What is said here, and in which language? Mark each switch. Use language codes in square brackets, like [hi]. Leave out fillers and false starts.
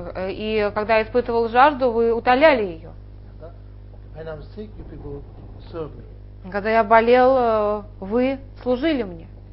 [ru] И когда я испытывал жажду, вы утоляли ее. [en] When I'm sick, you people serve me. [ru] Когда я болел, вы служили мне.